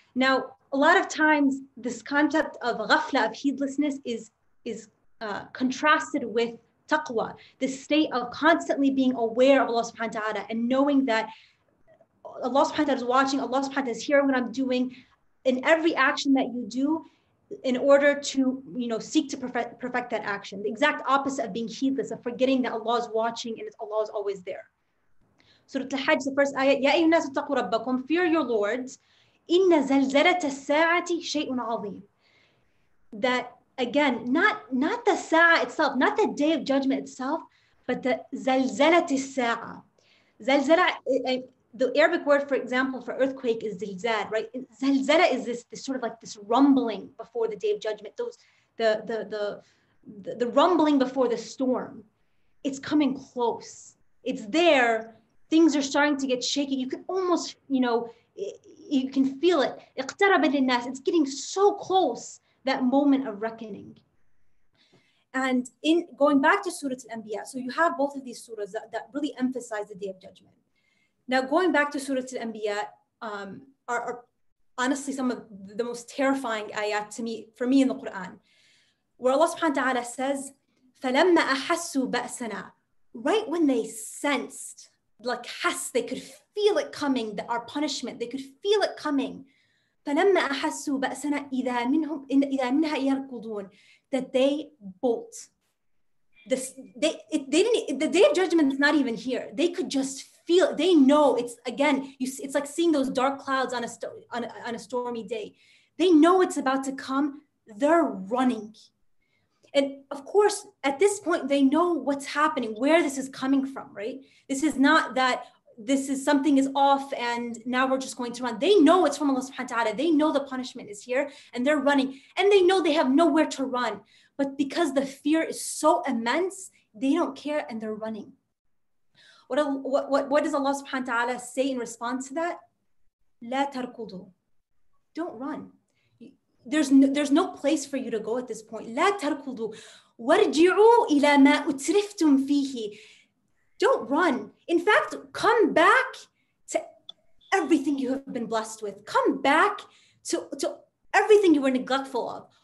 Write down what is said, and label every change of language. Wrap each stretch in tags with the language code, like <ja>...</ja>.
<en>Now, a lot of times this concept of ghafla, of heedlessness, is contrasted with taqwa, the state of constantly being aware of Allah subhanahu wa ta'ala and knowing that Allah subhanahu wa ta'ala is watching, Allah subhanahu wa ta'ala is hearing what I'm doing in every action that you do in order to, you know, seek to perfect that action. The exact opposite of being heedless, of forgetting that Allah is watching and Allah is always there. Surah Al-Hajj, the first ayat,</en> <ar>يَا أَيُّهَا النَّاسُ اتَّقُوا رَبَّكُمْ,</ar> <en>fear your lords,</en> <ar>إِنَّ زَلْزَلَةَ السَّاعَةِ شَيْءٌ عَظِيمٌ.</ar> <en>That, again, not the sa'ah itself, not the day of judgment itself, but the</en> <ar>زَلْزَلَةِ السَّاعَةِ.</ar> <en>زَلْزَلَة, the Arabic word, for example, for earthquake is زِلْزَاد, right? زَلْزَلَة is this sort of like this rumbling before the day of judgment, the rumbling before the storm. It's coming close. It's there. Things are starting to get shaky. You can almost, you know, you can feel it.</en> <ar>اقترب للناس.</ar> <en>It's getting so close, that moment of reckoning. And in going back to Surah Al-Anbiya, so you have both of these surahs that really emphasize the Day of Judgment. Now, going back to Surah Al-Anbiya, are honestly some of the most terrifying ayat for me in the Quran, where Allah subhanahu wa ta'ala says,</en> <ar>فَلَمَّا أَحَسُّوا بَأْسَنَا,</ar> <en>right when they sensed, like has, they could feel it coming, that our punishment, they could feel it coming.</en> <ar>فَلَمَّا أَحَسُّوا بَأْسَنَا إِذَا مِنْهَا يَرْكُضُونَ,</ar> <en>that they bolt. The day of judgment is not even here. They could just feel, they know, it's again, it's like seeing those dark clouds on a stormy day. They know it's about to come, they're running. And of course, at this point, they know what's happening, where this is coming from, right? This is not that this is something is off and now we're just going to run. They know it's from Allah subhanahu wa ta'ala. They know the punishment is here and they're running. And they know they have nowhere to run. But because the fear is so immense, they don't care and they're running. What does Allah subhanahu wa ta'ala say in response to that?</en> <ar>لا تركضوا.</ar> <en>Don't run. There's no place for you to go at this point.</en> <ar>لا تركضوا. وارجعوا إلى ما أترفتم فيه.</ar> <en>Don't run. In fact, come back to everything you have been blessed with. Come back to everything you were neglectful of.</en>